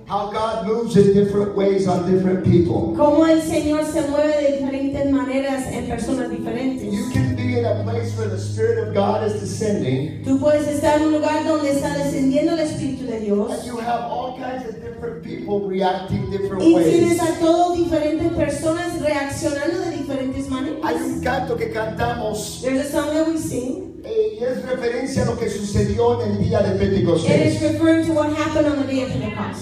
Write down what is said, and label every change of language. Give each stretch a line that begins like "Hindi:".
English: How God moves in different ways on different people.
Spanish: Cómo el Señor se mueve de diferentes maneras en personas diferentes.
English: You can be in a place where the Spirit of God is descending.
Spanish: Tú puedes estar en un lugar donde está descendiendo el Espíritu de Dios.
English: And you have all kinds of different people reacting different
Spanish: y
English: ways.
Spanish: Y tienes a todos diferentes personas reaccionando de diferentes maneras. Hay un canto que cantamos.
English: There's a song that we sing.
Spanish: Y es referencia a lo que sucedió en el día de Pentecostés.
English: It is referring to what happened on the day of Pentecost.